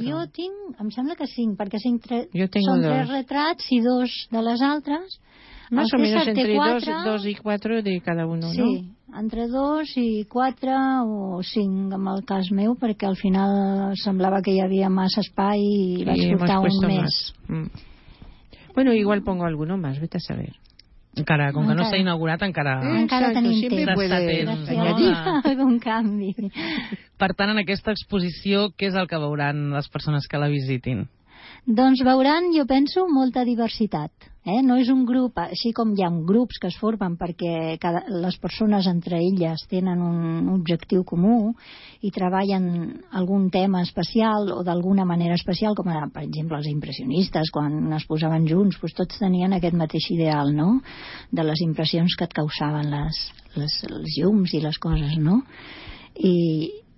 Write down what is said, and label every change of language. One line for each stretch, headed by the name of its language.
Catalan: Jo tinc, em sembla que 5, perquè són 3 retrats i 2 de les altres.
Spanish: Más o menos entre 2 i 4 de cada uno,
Catalan: sí, no? Entre 2 i 4 o 5, en el cas meu, perquè al final semblava que hi havia massa espai i vaig portar un més.
Spanish: Bueno, igual pongo alguno más, vete a saber.
Catalan: Encara, com que no s'ha inaugurat, encara tenim temps. Algun canvi. Per tant, en aquesta exposició, què és el que veuran les persones que la visitin? Doncs veuran, jo penso, molta diversitat. No és un grup, així com hi ha grups que es formen perquè les persones entre elles tenen un objectiu comú i treballen algun tema especial o d'alguna manera especial, com ara, per exemple, els impressionistes, quan es posaven junts, doncs tots tenien aquest mateix ideal, no?, de les impressions que et causaven les llums i les coses, no? I...